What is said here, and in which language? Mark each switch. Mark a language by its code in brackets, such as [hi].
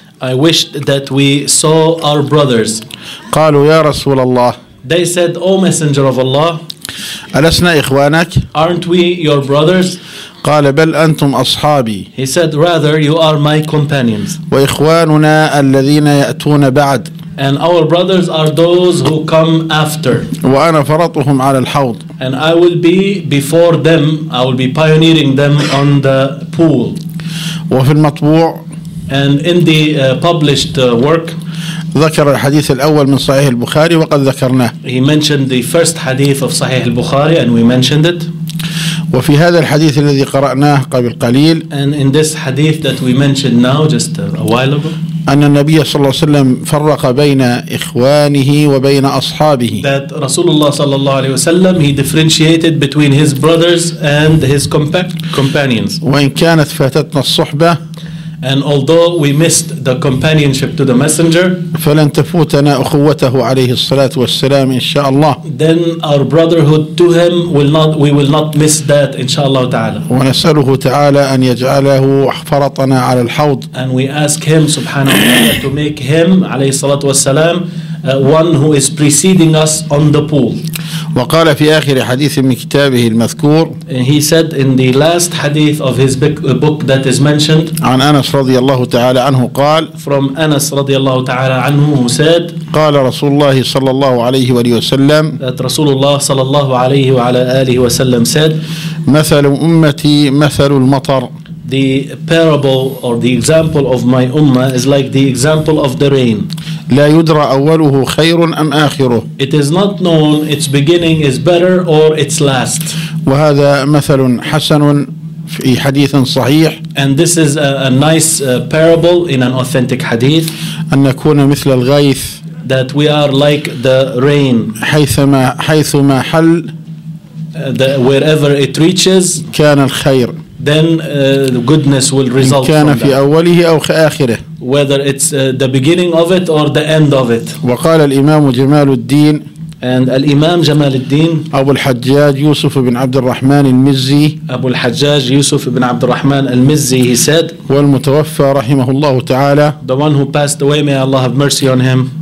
[en] I wished that we saw our brothers. [ar] قالوا يا رسول الله. [en] They said, O messenger of Allah، [ar] ألسنا إخوانك؟ [en] Aren't we your brothers؟ [ar] قال بل أنتم أصحابي. [en] He said, rather you are my companions. [ar] وإخواننا الذين يأتون بعد. [en] And our brothers are those who come after. [ar] وأنا فرطهم على الحوض. [en] And I will be before them. I will be pioneering them on the pool. [ar] وفي المطبوع. [en] And in the published work. [ar] ذكر الحديث الأول من صحيح البخاري وقد ذكرناه. [en] He mentioned the first hadith of صحيح البخاري and we mentioned it. [ar] وفي هذا الحديث الذي قرأناه قبل قليل. [en] And in this hadith that we mentioned now just a while ago. [ar] أن النبي صلى الله عليه وسلم فرق بين إخوانه وبين أصحابه. [en] That [ar] رسول الله صلى الله عليه وسلم [en] he differentiated between his brothers and his companions. [ar] وإن كانت فاتتنا الصحبة. [en] And although we missed the companionship to the messenger. [ar] فلن تفوتنا أخوته عليه الصلاة والسلام إن شاء الله. [en] Then our brotherhood to him we will not miss that [ar] إن شاء الله تعالى. ونسأله تعالى أن يجعله فرطنا على الحوض. [en] And we ask him [ar] سبحانه وتعالى [en] to make him [ar] عليه الصلاة والسلام [en] one who is preceding us on the pool. [ar] وقال في آخر حديث من كتابه المذكور. [en] And he said in the last hadith of his book that is mentioned. [ar] عن أنس رضي الله تعالى عنه قال. [en] From Anas [ar] رضي الله تعالى عنه [en] who said. [ar] قال رسول الله صلى الله عليه وسلم. [en] That [ar] رسول الله صلى الله عليه وعلى آله وسلم [en] said. [ar] مثل أمتي مثل المطر. [en] The parable or the example of my ummah is like the example of the rain. [ar] لا يدرى أوله خير أم آخره. [en] It is not known its beginning is better or its last. [ar] وهذا مثل حسن في حديث صحيح. [en] And this is a nice parable in an authentic hadith. [ar] أن نكون مثل الغيث. [en] That we are like the rain. [ar] حيثما حل. [en] Wherever it reaches. [ar] كان الخير. [en] Then goodness will result. [ar] كان في [en] that. [ar] أوله أو آخره. [en] Whether it's the beginning of it or the end of it. [ar] وقال الإمام جمال الدين. [en] And الإمام جمال الدين. [ar] أبو الحجاج يوسف بن عبد الرحمن المزي. أبو الحجاج يوسف بن عبد الرحمن المزي. [en] He said. [ar] والمتوفى رحمه الله تعالى. [en] The one who passed away, may Allah have mercy on him.